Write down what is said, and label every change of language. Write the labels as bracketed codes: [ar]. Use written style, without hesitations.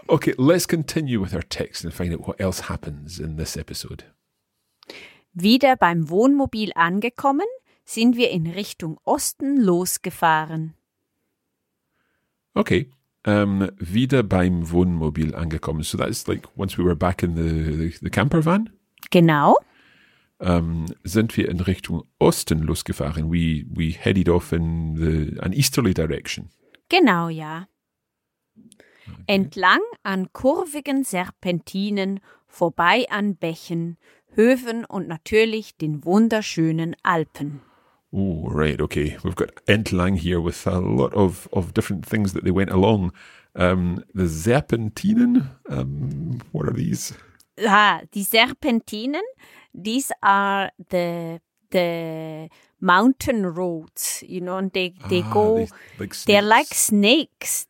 [en] Okay, let's continue with our text and find out what else happens in this episode. [de] Wieder beim Wohnmobil angekommen, sind wir in Richtung Osten losgefahren. [en] Okay. [de] Wieder beim Wohnmobil angekommen. [en] So that's like once we were back in the camper van. [de] Genau. Sind wir in Richtung Osten losgefahren. [en] We headed off in an easterly direction. [de] Genau, ja. Okay. Entlang an kurvigen Serpentinen, vorbei an Bächen, Höfen und natürlich den wunderschönen Alpen. [en] Oh, right, okay. We've got entlang here with a lot of different things that they went along. The Serpentinen, what are these? Ah, die Serpentinen, these are the mountain roads, you know, and they go, they're like snakes.